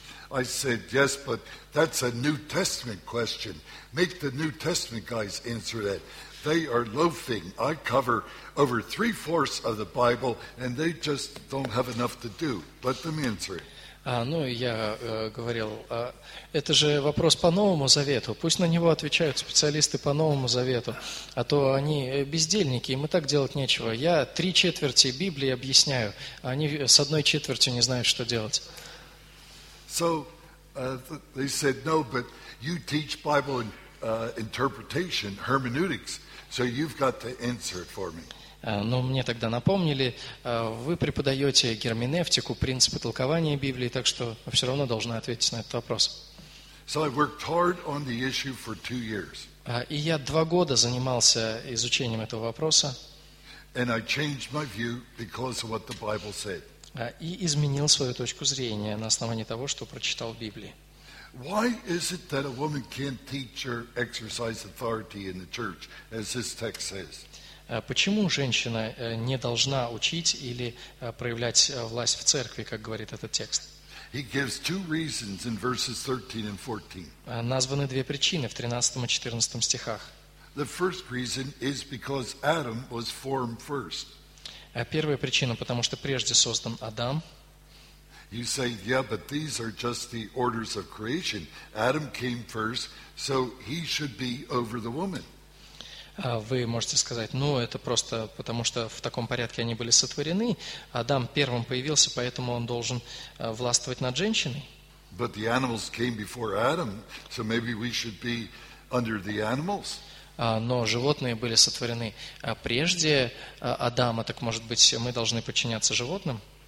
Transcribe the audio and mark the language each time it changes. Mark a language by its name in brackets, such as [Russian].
[English] I said, yes, but that's a New Testament question. Make the New Testament guys answer that. They are loafing. I cover over 3/4 of the Bible, and they just don't have enough to do. Let them answer it. [Russian] Ну, я говорил, это же вопрос по Новому Завету. Пусть на него отвечают специалисты по Новому Завету. А то они бездельники, им и так делать нечего. Я 3/4 Библии объясняю, а они с 1/4 не знают, что делать. [English] So, they said, no, but you teach Bible interpretation, hermeneutics, so you've got to answer it for me. [Russian] Но мне тогда напомнили, вы преподаете герменевтику, принципы толкования Библии, так что вы все равно должны ответить на этот вопрос. [English] So I worked hard on the issue for 2 years. [Russian] И я 2 года занимался изучением этого вопроса. [English] And I changed my view because of what the Bible said. [Russian] И изменил свою точку зрения на основании того, что прочитал в Библии. [English] Why is it that a woman can't teach or exercise authority in the church, as this text says? [Russian] Почему женщина не должна учить или проявлять власть в церкви, как говорит этот текст? [English] He gives 2 reasons in verses 13 and 14. [Russian] Названы 2 причины в 13 и 14 стихах. [English] The first reason is because Adam was formed first. [Russian] Первая причина, потому что прежде создан Адам. [English] You say, yeah, but these are just the orders of creation. Adam came first, so he should be over the woman. [Russian] Вы можете сказать, ну, это просто потому, что в таком порядке они были сотворены. Адам первым появился, поэтому он должен властвовать над женщиной. [English] But the animals came before Adam, so maybe we should be under the animals. [Russian] Но животные были сотворены прежде Адама, так, может быть, мы должны подчиняться животным?